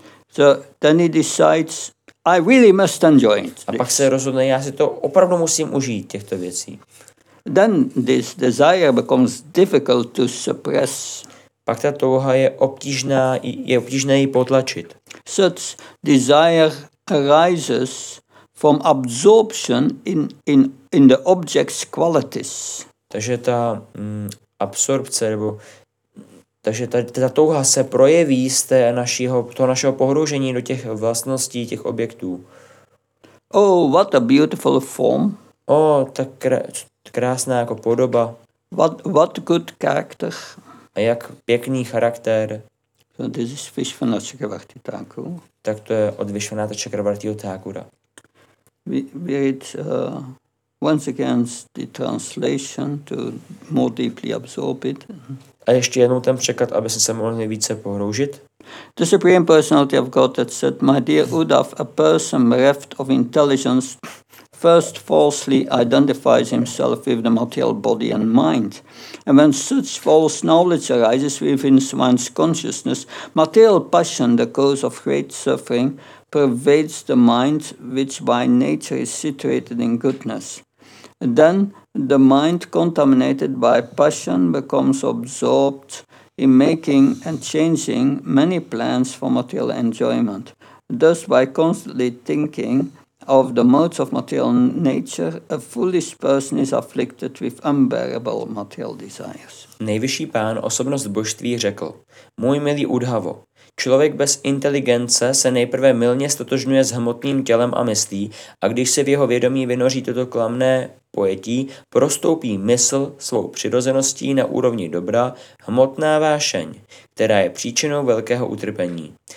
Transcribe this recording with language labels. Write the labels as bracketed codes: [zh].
[en] So then he decides, I really must enjoy it. [cs] A pak se rozhodne, já si to opravdu musím užít, těchto věcí. [en] then this desire becomes difficult to suppress. [cs] Pak ta touha je obtížné ji potlačit. [en] Such desire arises from absorption in the object's qualities. [cs] Takže ta absorpce nebo takže ta touha se projeví z té našeho pohroužení do těch vlastností těch objektů. [en] Oh, what a beautiful form. [cs] Oh, tak krásná jako podoba. [en] What good character. [cs] A jak pěkný charakter. [en] So this is Vishvanatha Chakravarti Thakur. [cs] Tak to je od Vishvanatha Chakravarti Thakura. [en] We read once again the translation to more deeply absorb it. [cs] A ještě jednou ten překlad, aby se mohli více pohroužit. [en] The Supreme Personality of Godhead said, my dear Uddhav, a person bereft of intelligence first falsely identifies himself with the material body and mind. And when such false knowledge arises within one's consciousness, material passion, the cause of great suffering, pervades the mind which by nature is situated in goodness. And then the mind contaminated by passion becomes absorbed in making and changing many plans for material enjoyment. Thus, by constantly thinking of the modes of material nature, a foolish person is afflicted with unbearable material desires. [cs] Nejvyšší pán, osobnost božství, řekl, můj milý Uddhavo, člověk bez inteligence se nejprve mylně stotožňuje s hmotným tělem a myslí, a když se v jeho vědomí vynoří toto klamné pojetí, prostoupí mysl svou přirozeností na úrovni dobra, hmotná vášeň, která je příčinou velkého utrpení.